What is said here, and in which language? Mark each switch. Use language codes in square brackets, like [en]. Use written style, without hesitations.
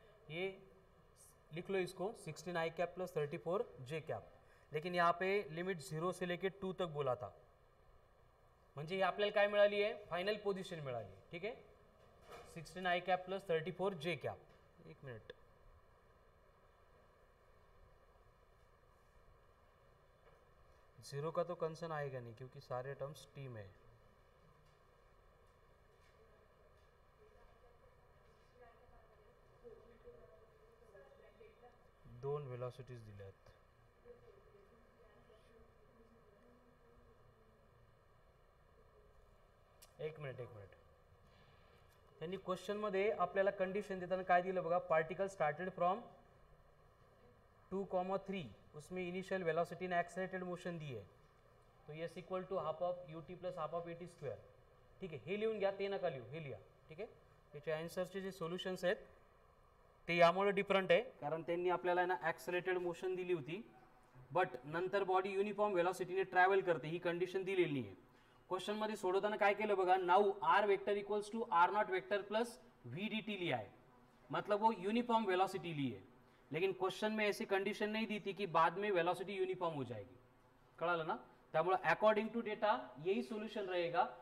[hi] ये लिख लो इसको 16i cap plus 34j cap, लेकिन यहाँ पे लिमिट 0 से लेके 2 तक बोला था, [mr] म्हणजे ये आपल्याला काय मिळाली आहे, फाइनल पोजिशन मिळाली, [hi] ठीक है 16i cap plus 34j cap. एक मिनट, जीरो का तो कंसर्न आएगा नहीं क्योंकि सारे टर्म्स टी में है, [mr] दोन वेलॉसिटीज दिल्यात, एक मिनिट, त्यांनी क्वेश्चन मध्ये आपल्याला कंडिशन देताना काय दिलं बघा, [en] particle started from 2, 3, [hi] उसमें इनिशियल वेलॉसिटी ने एक्सेलरेटेड मोशन दी है, [mr] तो S equal to half of U T plus half of A T square, ठीक आहे हे लिहून घ्या, ते नका लिहू, हे लिहा, ठीक आहे याचे आन्सरचे जे सोल्युशन्स आहेत ते यामुळे डिफरंट आहे, कारण त्यांनी आपल्याला ना ॲक्सलरेटेड मोशन दिली होती, बट नंतर बॉडी युनिफॉर्म वेलॉसिटीने ट्रॅव्हल करते ही कंडिशन दिलेली आहे। क्वेश्चनमध्ये सोडवताना काय केलं बघा, [en] now r vector equals to r naught vector plus v d t [hi] लिहाय, मतलब वो युनिफॉर्म वेलॉसिटी लिए, लेकिन क्वेश्चन में ऐसी कंडिशन नहीं दी थी कि बाद में वेलॉसिटी युनिफॉर्म हो जाएगी, [mr] कळालं ना, त्यामुळे [hi] अकॉर्डिंग टू डेटा यही सोल्यूशन रहेगा।